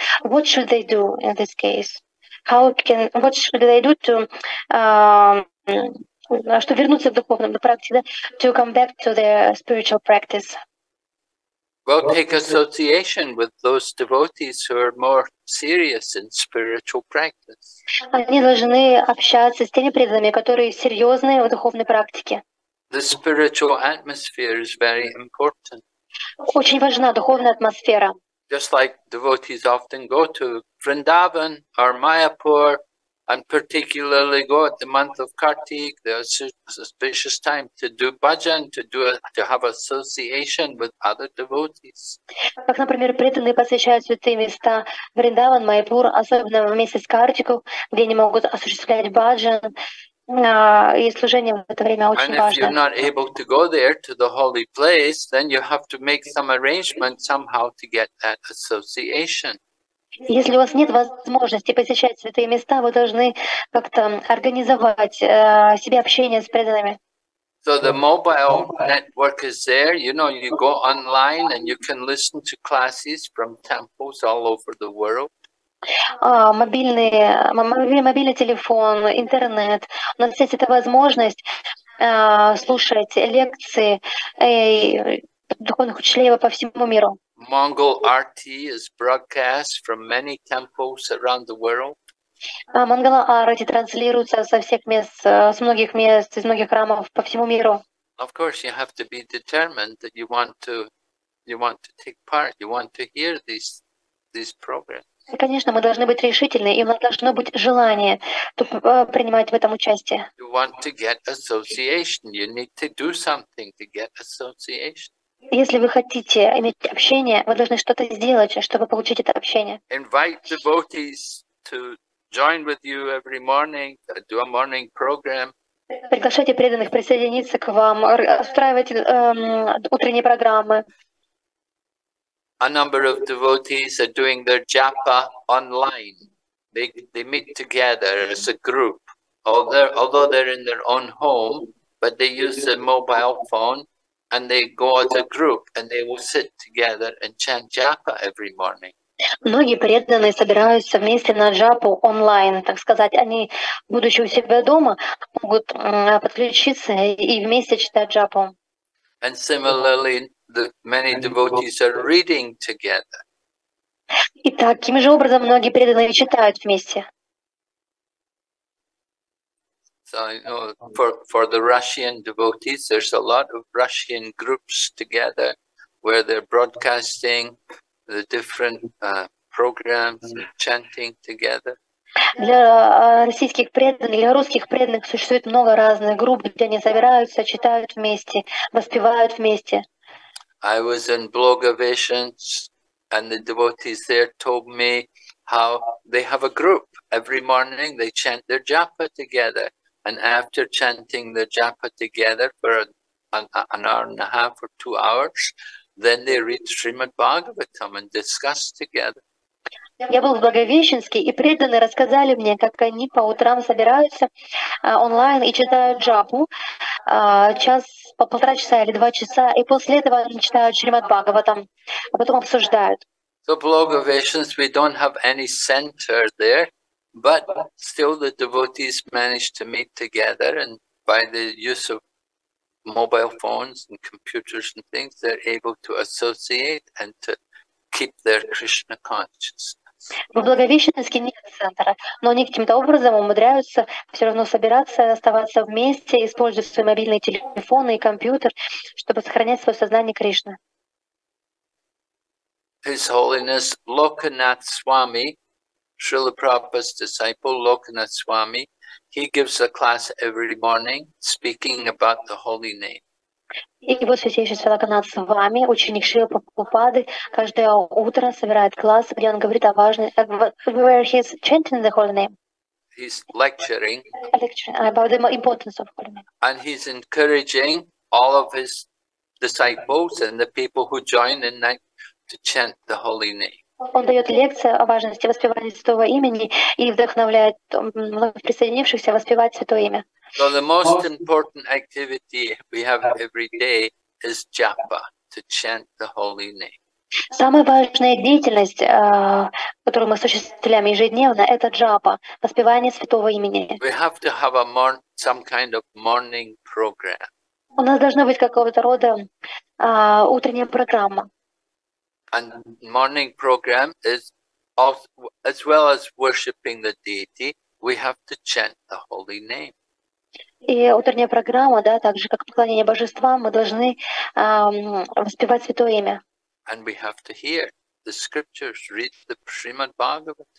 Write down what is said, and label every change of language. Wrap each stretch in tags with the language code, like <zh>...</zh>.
<en>What should they do in this case? What should they do to</en> <ru>чтобы вернуться к духовной практике,</ru> <en>to come back to their spiritual practice? Well, take association with those devotees who are more serious in spiritual practice.</en> <ru>Они должны общаться с теми преданными, которые серьезные в духовной практике.</ru> <en>The spiritual atmosphere is very important.</en> <ru>Очень важна духовная атмосфера.</ru> <en>Just like devotees often go to Vrindavan or Mayapur, and particularly go at the month of Kartik, the auspicious time, to do bhajan, to have association with other devotees.</en> <ru>Как, например, преданные посещают святые места Вриндаван, Майпур, особенно в месяц Картику, где они могут осуществлять бхаджан, и служение в это время очень важно.</ru> <en>And if you're not able to go there to the holy place, then you have to make some arrangement somehow to get that association.</en> <ru>Если у вас нет возможности посещать святые места, вы должны как-то организовать себе общение с преданными.</ru> <en>So the mobile network is there. You know, you go online and you can listen to classes from temples all over the world.</en> <ru>Мобильный телефон, интернет. У нас есть эта возможность слушать лекции духовных учителей по всему миру.</ru> <en>Mongol RT is broadcast from many temples around the world.</en> <ru>Mongol RT транслируется со всех мест, с многих мест, из многих храмов по всему миру.</ru> <en>Of course, you have to be determined that you want to take part, you want to hear these programs.</en> <ru>Конечно, мы должны быть решительны, и у нас должно быть желание принимать в этом участие.</ru> <en>You want to get association, you need to do something to get association.</en> <ru>Если вы хотите иметь общение, вы должны что-то сделать, чтобы получить это общение.</ru> <en>Invite devotees to join with you every morning, do a morning program.</en> <ru>Приглашайте преданных присоединиться к вам, устраивайте утренние программы.</ru> <en>A number of devotees are doing their japa online. They meet together as a group, although they're in their own home, but they use a mobile phone. And they go as a group, and they will sit together and chant japa every morning.</en> <ru>Многие преданные собираются вместе на джапу онлайн, так сказать. Они, будучи у себя дома, могут подключиться и вместе читать джапу.</ru> <en>And similarly, many devotees are reading together.</en> <ru>И таким же образом многие преданные читают вместе.</ru> <en>So you know, for the Russian devotees, there's a lot of Russian groups together where they're broadcasting the different programs and chanting together.</en> <ru>Для российских преданных, для русских преданных существует много разных групп, где они собираются, читают вместе, воспевают вместе.</ru> <en>I was in Blagoveshchensk, and the devotees there told me how they have a group. Every morning they chant their japa together. And after chanting the japa together for an hour and a half or 2 hours, then they read Srimad Bhagavatam and discuss together.</en> <ru>Я был в Благовещенске, и преданные рассказали мне, как они по утрам собираются онлайн и читают джапу час, полтора часа или два часа, и после этого они читают Шримад Бхагаватам, а потом обсуждают.</ru> <en>So Благовещенск, we don't have any center there. But still the devotees managed to meet together, and by the use of mobile phones and computers and things, they're able to associate and to keep their Krishna consciousness.</en> <ru>В Благовещенске нет центра, но они каким-то образом умудряются все равно собираться, оставаться вместе, используя свои мобильные телефоны и компьютер, чтобы сохранять свое сознание Кришны.</ru> <en>His Holiness Lokanath Swami, Srila Prabhupada's disciple, Lokanath Swami, he gives a class every morning speaking about the holy name.</en> <ru>Его святейшество Локанат Свами, ученик Шрилы Прабхупады, каждое утро собирает класс, где он говорит о важности,</ru> <en>where he's chanting the holy name. He's lecturing. About the importance of holy name. And he's encouraging all of his disciples and the people who join in night to chant the holy name.</en> <ru>Он дает лекции о важности воспевания Святого Имени и вдохновляет присоединившихся воспевать Святое Имя.</ru> <en>So the most important activity we have every day is japa, to chant the holy name.</en> <ru>Самая важная деятельность, которую мы осуществляем ежедневно, это джапа, воспевание Святого Имени.</ru> <en>We have to have some kind of morning program.</en> <ru>У нас должна быть какого-то рода утренняя программа.</ru> <en>And morning program is also, as well as worshipping the deity, we have to chant the holy name.</en> <ru>И утренняя программа, да, так же как поклонение божествам, мы должны воспевать святое имя.</ru> <en>And we have to hear the scriptures, read the Srimad Bhagavatam.</en>